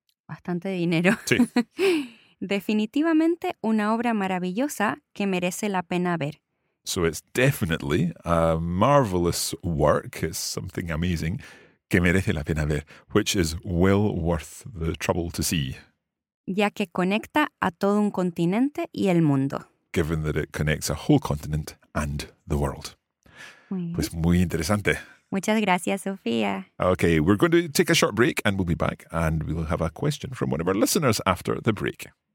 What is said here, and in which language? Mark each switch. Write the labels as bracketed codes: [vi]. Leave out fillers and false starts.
[es] Bastante dinero. Sí. Definitivamente una obra maravillosa que merece la pena ver. [en] So it's definitely a marvelous work. It's something amazing. [es] Que merece la pena ver, [en] which is well worth the trouble to see. [es] Ya que conecta a todo un continente y el mundo. [en] Given that it connects a whole continent and the world. [es] Pues muy interesante. Muchas gracias, Sofía. [en] Okay, we're going to take a short break and we'll be back and we'll have a question from one of our listeners after the break.